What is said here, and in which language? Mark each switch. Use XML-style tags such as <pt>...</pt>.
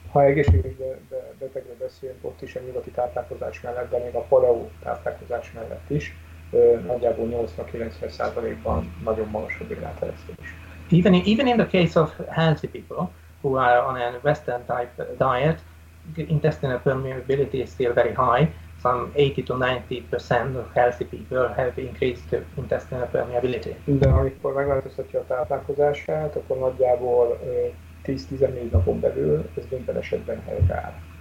<hu>Ha egészségbetegre beszélünk, ott is a nyugati táplálkozás mellett, de még a paleo táplálkozás mellett is, nagyjából 80-90%-ban nagyon magas a diáteresztés.</hu> <en>Even in the case of healthy people who are on a Western type diet, intestinal permeability is still very high. Some 80-90% of healthy people have increased intestinal permeability.</en> <hu>De amikor megváltoztatja a táplálkozását, akkor nagyjából 10-14 napon belül ez minden esetben helytáll.</hu>